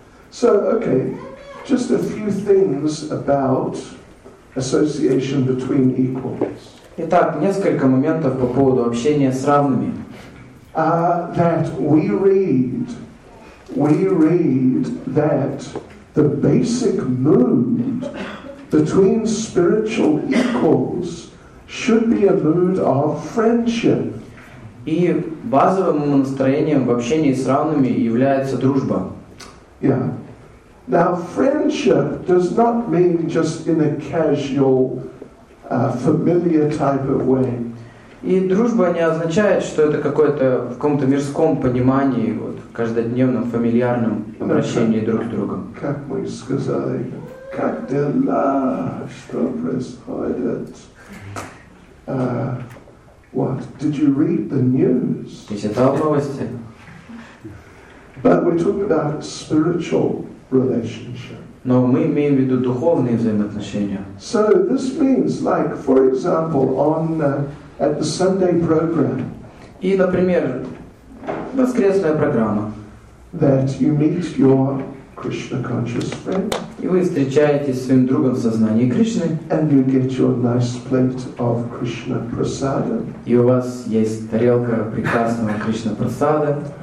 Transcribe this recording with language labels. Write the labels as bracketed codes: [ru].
[en] So, okay, just a few things about association between equals. [ru] Итак, несколько моментов по поводу общения с равными. [en] That we read that the basic mood between spiritual equals should be a mood of friendship. [ru] И базовым настроением в общении с равными является дружба. [en] Yeah. Now, friendship does not mean just in a casual, familiar type of way. [ru] И дружба не означает, что это какое-то в каком-то мирском понимании, вот, в каждодневном, фамильярном обращении друг с другом. Как мы сказали, как дела, что происходит? [en] What? Did you read the news? [ru] Ты читал новости? [en] But we're talking about spiritual relationship. [ru] Но мы имеем в виду духовные взаимоотношения. [en] So this means, like, for example, on at the Sunday program. [ru] И, например, воскресная программа. [en] That you meet your Krishna conscious friend. [ru] И вы встречаетесь с своим другом в сознании Кришны. [en] And you get your nice plate of Krishna prasada. [ru] И у вас есть тарелка прекрасного Кришна прасада.